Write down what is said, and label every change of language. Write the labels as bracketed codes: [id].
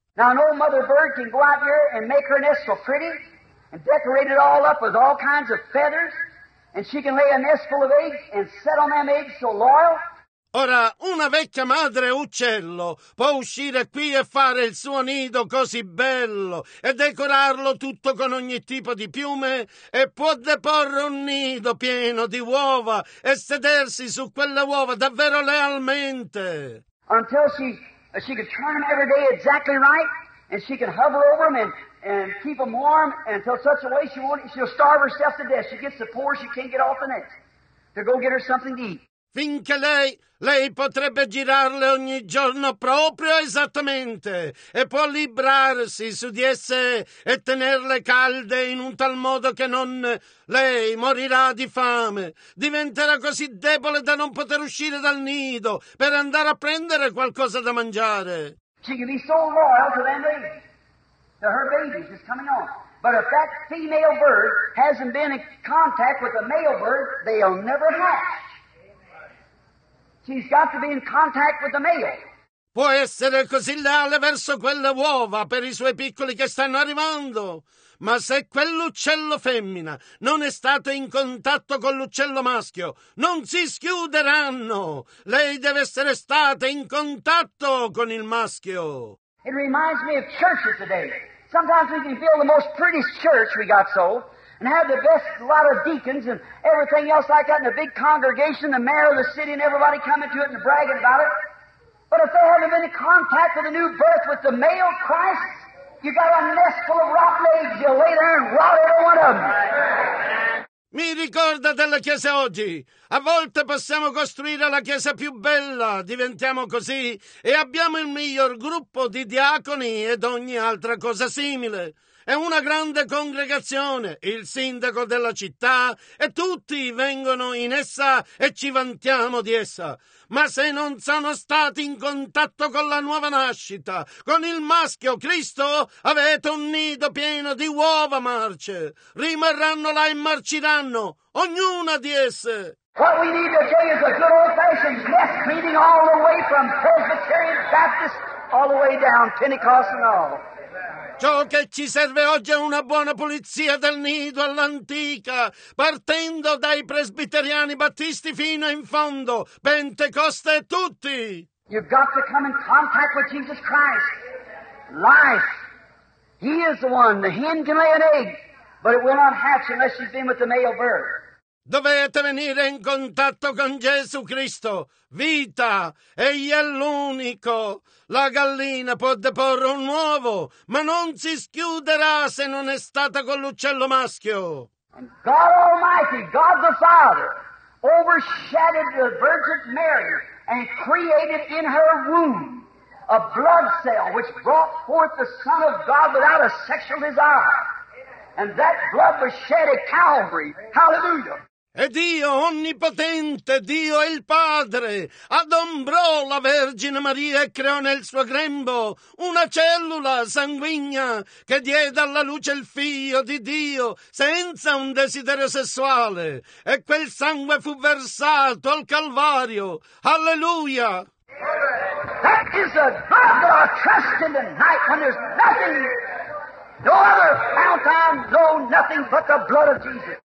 [en] Now an old mother bird can go out here and make her nest so pretty and decorate it all up with all kinds of feathers, and she can lay a nest full of eggs and set on them eggs so loyal. [it] Ora, una vecchia madre uccello può uscire qui e fare il suo nido così bello e decorarlo tutto con ogni tipo di piume e può deporre un nido pieno di uova e sedersi su quelle uova davvero lealmente. [en] Until she could turn them every day exactly right and she could hover over them and keep them warm until such a way she'll starve herself to death. She gets the poor, she can't get off the nest to go get her something to eat. [it] finché lei potrebbe girarle ogni giorno proprio esattamente e può librarsi su di esse e tenerle calde in un tal modo che non lei morirà di fame. Diventerà così debole da non poter uscire dal nido per andare a prendere qualcosa da mangiare. [en] She can be so loyal to them babies, to her babies that's coming on. But if that female bird hasn't been in contact with a male bird, they'll never hatch. She's got to be in contact with the male. [it] Può essere così leale verso quelle uova per i suoi piccoli che stanno arrivando. Ma se quell'uccello femmina non è stato in contatto con l'uccello maschio, non si schiuderanno. Lei deve essere stata in contatto con il maschio. [en] It reminds me of churches today. Sometimes we can build the most prettiest church we got so, and have the best lot of deacons and everything else like that, and a big congregation, the mayor of the city and everybody coming to it and bragging about it. But if they haven't been in contact with the new birth, with the male Christ, you got a nest full of rotten eggs. You'll lay there and rot every one of them. [it] Mi ricorda della chiesa oggi. A volte possiamo costruire la chiesa più bella, diventiamo così, e abbiamo il miglior gruppo di diaconi ed ogni altra cosa simile. È una grande congregazione, il sindaco della città, e tutti vengono in essa e ci vantiamo di essa. Ma se non sono stati in contatto con la nuova nascita, con il maschio Cristo, avete un nido pieno di uova marce. Rimarranno là e marciranno, ognuna di esse. [en] What we need to say is a good old-fashioned nest meeting all the way from Presbyterian, Baptist, all the way down, Pentecost and all. [it] Ciò che ci serve oggi è una buona pulizia del nido all'antica, partendo dai presbiteriani battisti fino in fondo, Pentecoste e tutti. [en] You've got to come in contact with Jesus Christ. Life. He is the one. The hen can lay an egg, but it will not hatch unless she's been with the male bird. [it] Dovete venire in contatto con Gesù Cristo, vita, egli è l'unico. La gallina può deporre un uovo, ma non si schiuderà se non è stata con l'uccello maschio. [en] And God Almighty, God the Father, overshadowed the Virgin Mary and created in her womb a blood cell which brought forth the Son of God without a sexual desire. And that blood was shed at Calvary. Hallelujah. [it] E Dio Onnipotente, Dio è il Padre, adombrò la Vergine Maria e creò nel suo grembo una cellula sanguigna che diede alla luce il Figlio di Dio senza un desiderio sessuale. E quel sangue fu versato al Calvario. Alleluia! [en] That is the God that I trust in tonight when there's nothing, no other fountain, no nothing but the blood of Jesus.